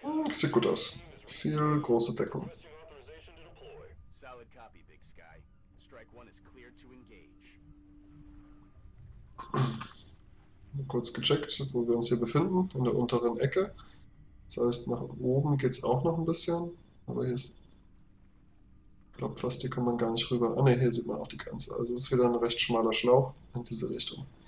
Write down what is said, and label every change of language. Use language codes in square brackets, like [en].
[de] Sieht gut aus. Viel große Deckung. [en] Solid copy, Big Sky. Strike one is clear to engage. [de] Kurz gecheckt, wo wir uns hier befinden, in der unteren Ecke. Das heißt, nach oben geht es auch noch ein bisschen. Aber hier ist. Ich glaube, fast hier kann man gar nicht rüber. Ah, ne, hier sieht man auch die Grenze. Also es ist wieder ein recht schmaler Schlauch in diese Richtung.